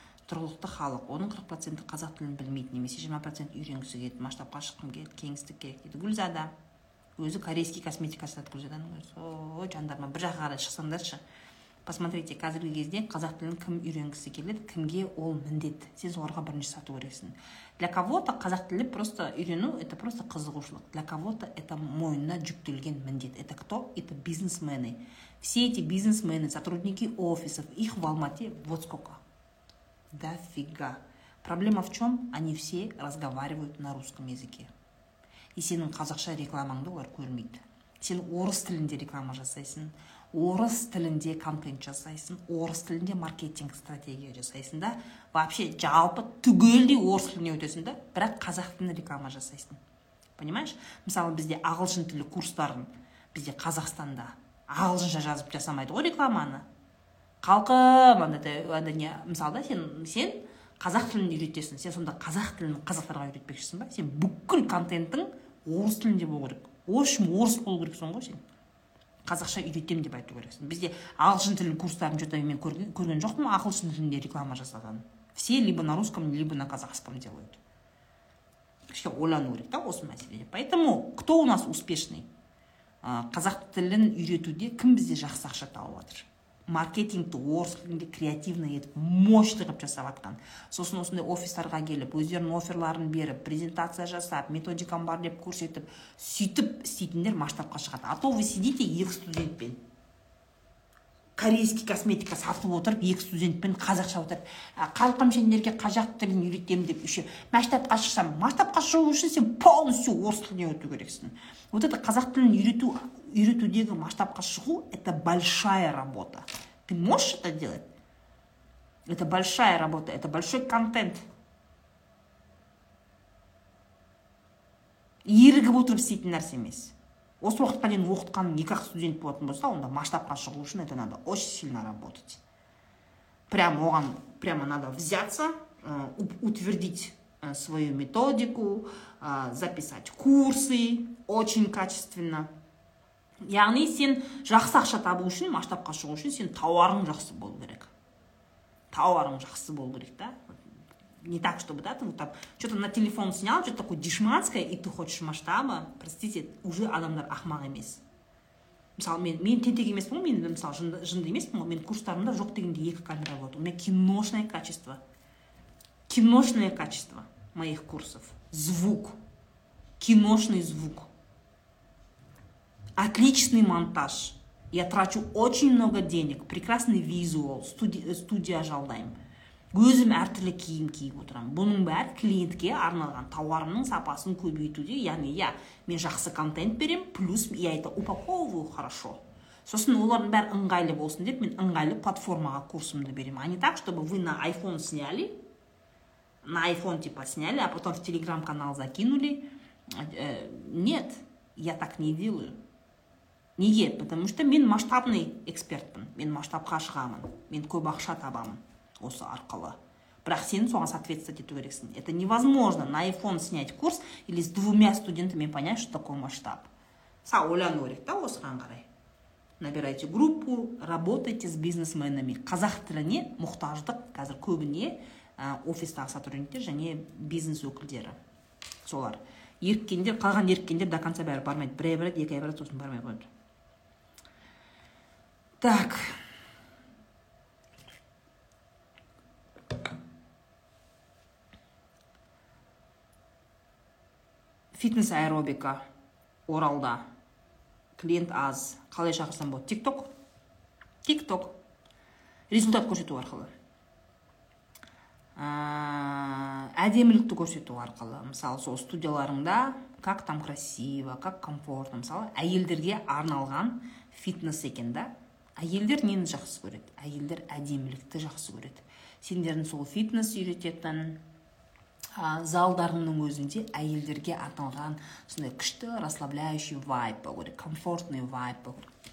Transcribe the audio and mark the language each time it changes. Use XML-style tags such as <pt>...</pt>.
<kk>тұрғылықты халық, оның 40% қазақ тілін білмейді, немесе 20% үйренгісі келеді, масштабқа шыққым келеді, кеңістік керек дейді. Гүлзада өзі корейский косметика сатады, Гүлзаданың өзі. Ой, жандарма, бір жаққа қарай шықсаңдаршы.</kk> <ru>Посмотрите,</ru> <kk>қазіргі кезде қазақ тілін кім үйренгісі келеді, кімге ол міндет. Сен соларға бірінші сату өресің.</kk> <ru>Для кого-то</ru> <kk>қазақ тілі просто үйрену, это просто қызығушылық.</kk> <ru>Для кого-то это</ru> <kk>мойнына жүктелген міндет.</kk> <ru>Это кто? Это бизнесмены. Все эти бизнесмены, сотрудники офисов, их в Алмате вот сколько. Да фига. Проблема в чем? Они все разговаривают на русском языке.</ru> <kk>И сенің қазақша рекламаңды олар көрмейді. Сен орыс тілінде реклама жасайсың. Орыс тілінде контент жасайсың, орыс тілінде маркетинг стратегия жасайсың да, вообще жалпы түгелдей орыс тіліне өтесің да, бірақ қазақ тілінде реклама жасайсың.</kk> <ru>Понимаешь?</ru> <kk>Мысалы, бізде ағылшын тілі курстарын бізде Қазақстанда ағылшынша жазып жасамайды ғой рекламаны. Қалқым, анда не, мысалы да, сен қазақ тілін үйретесің, сен сонда қазақ тілін қазақтарға үйретпекшісің ба? Сен бүкіл контентің орыс тілінде болу керек. Ошым орыс болу керексің ғой сен. Қазақша үйретем деп айту керексің. Бізде ағылшын тілін курстарын жүрдім, мен көрген жоқпын ағылшын тілінде реклама жасаған.</kk> <ru>Все либо на русском, либо на казахском делают.</ru> <kk>Кішке ойлану керек та осы мәселеде.</kk> <ru>Поэтому кто у нас успешный?</ru> <kk>Қазақ тілін үйретуде кім бізде жақсы ақша тауып отыр? Маркетингті орыс тілінде креативно етіп мощты қып жасап атқан. Сосын осындай офистарға келіп, өздерінің оферларын беріп, презентация жасап, методикам бар деп көрсетіп, сөйтіп істейтіндер масштабқа шығады.</kk> <ru>А то вы сидите</ru> <kk>екі студентпен. Корейский косметика сатып отырып, екі студентпен қазақша отырып, қалқым сендерге қазақ тілін үйретемін деп үші масштабқа шықсам, масштабқа шығу үшін сен полностью орыс тіліне өту керексің.</kk> <ru>Вот это</ru> <kk>қазақ тілін үйретудегі масштабқа шығу</kk> <ru>это большая работа. Ты можешь это делать? Это большая работа, это большой контент.</ru> <kk>Ерігіп отырып істейтін нәрсе емес. Осы уақытқа дейін оқытқан екі-ақ студент болатын болса, онда масштабқа шығу үшін</kk> <ru>это надо очень сильно работать. Прямо оған прямо надо взяться, утвердить свою методику, записать курсы очень качественно.</ru> <kk>Яғни сен жақсы ақша табу үшін, масштабқа шығу үшін сен тауарың жақсы болу керек. Тауарың жақсы болу керек, да?</kk> <ru>Не так, чтобы, да, ты вот там что-то на телефон снял, что-то такое дешманское, и ты хочешь масштаба, простите, уже</ru> <kk>адамдар ақмақ емес. Мысалы, мен тентек емеспін, мен мысалы жынды емеспін, мен курстарымда жоқ дегенде екі камера болды.</kk> <ru>У меня киношное качество моих курсов. Звук. Киношный звук. Отличный монтаж. Я трачу очень много денег. Прекрасный визуал.</ru> <kk>Студия жалдаем. Өзім әртүрлі киім киіп отырам. Бұның бәрі клиентке арналған тауарымның сапасын көбейтуде.</kk> <ru>Яғни, я,</ru> <kk>мен жақсы контент берем,</kk> <ru>плюс я это упаковываю хорошо.</ru> <kk>Сосын олардың бәрі ыңғайлы болсын деп, мен ыңғайлы платформаға курсымды берем.</kk> <ru>А не так, чтобы вы на iPhone сняли, на iPhone типа сняли, а потом в Telegram-канал закинули. Нет, я так не делаю.</ru> <kk>Неге?</kk> <ru>Потому что</ru> <kk>мен масштабный экспертпін. Мен масштабқа шығамын. Мен көп ақша табамын. Осы арқылы. Бірақ сен соған соответствовать ету керексің.</kk> <ru>Это невозможно на iPhone снять курс или с двумя студентами понять, что такое масштаб.</ru> <kk>Са ойлану керек та осыған қарай.</kk> <ru>Набирайте группу, работайте с бизнесменами.</ru> <kk>Қазақ тіліне мұқтаждық қазір көбіне офистағы сотрудниктер және бизнес өкілдері. Солар. Еріккендер, қалған еріккендер до конца бәрі бармайды. Бір ай бір ай, екі ай бір ай сосын бармай қойды.</kk> <ru>Так.</ru> <kk>Фитнес аэробика Оралда. Клиент аз. Қалай шақырсам болады? TikTok. TikTok. Результат көрсету арқылы. Әдемілікті көрсету арқылы.</kk> <ru>Мысалы, сол студияларыңда как там красиво, как комфортно.</ru> <kk>Мысалы, әйелдерге арналған фитнес екен да. Әйелдер нені жақсы көреді? Әйелдер әдемілікті жақсы көреді. Сендердің сол фитнес үйрететін залдарының өзінде әйелдерге арналған сондай күшті расслабляющий вайб болу керек, комфортный вайб болу керек.</kk>